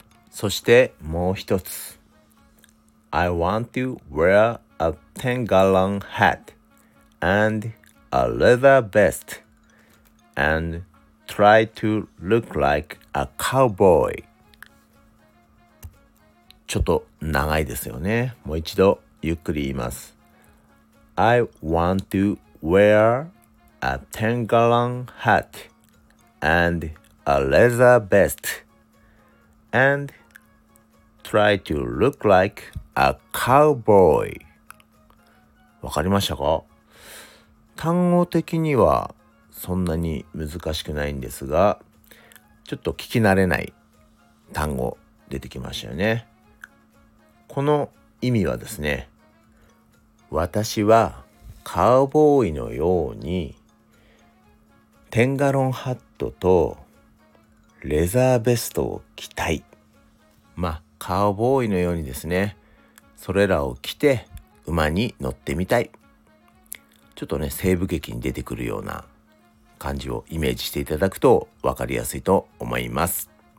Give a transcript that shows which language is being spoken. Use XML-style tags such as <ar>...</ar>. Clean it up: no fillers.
<ja>そしてもう一つ、</ja> <en>I want to wear a 10 gallon hat and a leather vest andtry to look like a cowboy.</en> <ja>ちょっと長いですよね。もう一度ゆっくり言います。</ja> <en>I want to wear a 10 gallon hat and a leather vest and try to look like a cowboy.</en> <ja>わかりましたか？単語的にはそんなに難しくないんですが、ちょっと聞き慣れない単語出てきましたよね。この意味はですね、私はカウボーイのように10ガロンハットとレザーベストを着たい、まあカウボーイのようにですね、それらを着て馬に乗ってみたい、ちょっとね西部劇に出てくるような感じをイメージしていただくと分かりやすいと思います。</ja>